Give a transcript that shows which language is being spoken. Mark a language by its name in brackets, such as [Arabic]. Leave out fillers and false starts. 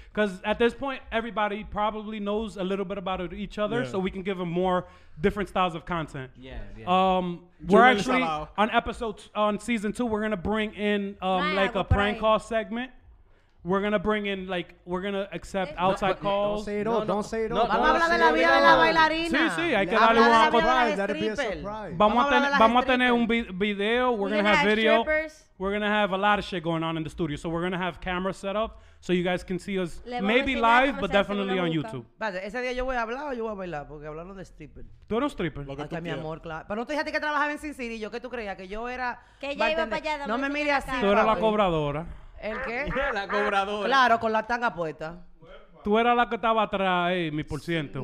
[English] Because at this point, everybody probably knows a little bit about each other, yeah. So we can give them more different styles of content. Yeah, yeah. We're actually on episode on season 2. We're gonna bring in like a prank call segment. We're gonna bring in we're gonna accept outside calls. Don't say it all. [Spanish] Vamos a hablar de la vida de la bailarina. Sí, hay que darle una cosa. Vamos a tener un video. [English] We're gonna have video. We're gonna have a lot of shit going on in the studio. So we're gonna have cameras set up so you guys can see us maybe live, but definitely on YouTube. [Spanish] Ese día yo voy a hablar o yo voy a bailar porque hablando de stripper. Tú eres stripper. Hasta mi amor, claro. Pero no te dijiste que trabajaba en Sin City. Yo que tú creías que yo era. Que ya iba para allá. No me mire así. Tú eras la cobradora. ¿El qué? La cobradora. Claro, con la tanga puesta. Tú eras la que estaba atrás, mi por ciento.